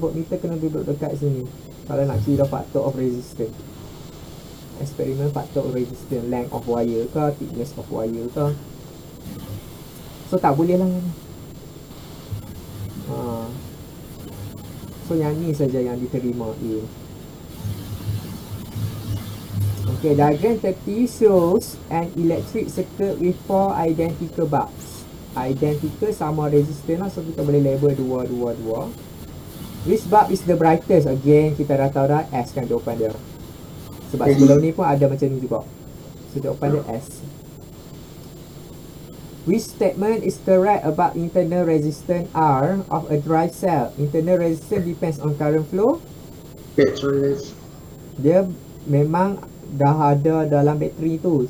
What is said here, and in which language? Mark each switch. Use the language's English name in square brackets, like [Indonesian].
[Malay] Voltmeter kena duduk dekat sini. Kalau nak kira faktor of resistance. Eksperimen faktor of resistance. [English] Length of wire [Malay] ke, [English] thickness of wire [Malay] ke. So tak boleh lah. So yang ni saja yang diterima A. [English] Okay, diagram 30 shows an electric circuit with four identical bulbs. [Malay] Identical sama resistance lah, so kita boleh label 2, 2, 2. [English] Which bulb is the brightest? Again, [Malay] kita dah tahu dah S kan jawapan dia. Sebab sebelum ni pun ada macam ni juga. So jawapan dia S. [English] Which statement is correct about internal resistance R of a dry cell? Internal resistance depends on current flow. [Malay] Dia memang dah ada dalam bateri tu.